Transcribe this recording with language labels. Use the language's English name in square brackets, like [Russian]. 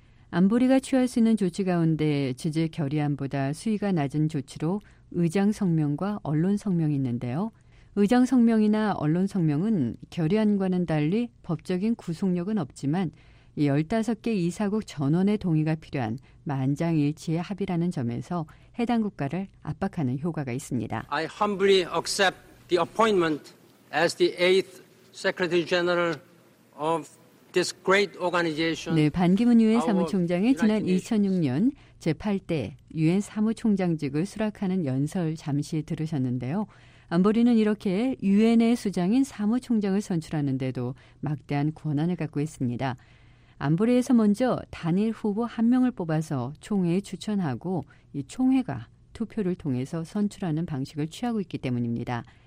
[Korean] 안보리가 취할 수 있는 조치 가운데 제재 결의안보다 수위가 낮은 조치로 의장 성명과 언론 성명이 있는데요. 의장 성명이나 언론 성명은 결의안과는 달리 법적인 구속력은 없지만 15개 이사국 전원의 동의가 필요한 만장일치의 합의라는 점에서 해당 국가를 압박하는 효과가 있습니다. [English] I humbly accept the appointment as the 8th Secretary General of this great organization. [Korean] 네, 반기문 유엔 사무총장의 지난 2006년 제8대 유엔 사무총장직을 수락하는 연설 잠시 들으셨는데요. 안보리는 이렇게 유엔의 수장인 사무총장을 선출하는데도 막대한 권한을 갖고 있습니다. 안보리에서 먼저 단일 후보 한 명을 뽑아서 총회에 추천하고 이 총회가 투표를 통해서 선출하는 방식을 취하고 있기 때문입니다.